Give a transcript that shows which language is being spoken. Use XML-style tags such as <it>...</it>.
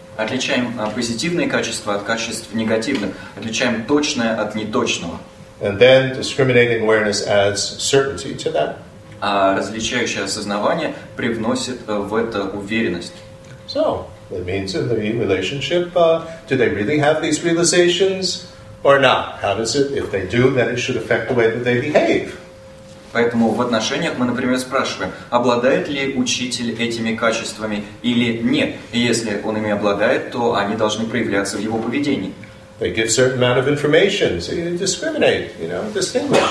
<ru>Отличаем позитивные качества от качеств негативных. Отличаем точное от неточного.</ru> <en>And then discriminating awareness adds certainty to that.</en> <ru>А различающее осознавание привносит в это уверенность.</ru> <en>So, that means in the relationship, do they really have these realizations or not? How does it, if they do, then it should affect the way that they behave?</en> <ru>Поэтому в отношениях мы, например, спрашиваем, обладает ли учитель этими качествами или нет. И если он ими обладает, то они должны проявляться в его поведении.</ru> <en>They give a certain amount of information, so you discriminate, you know, distinguish.</en>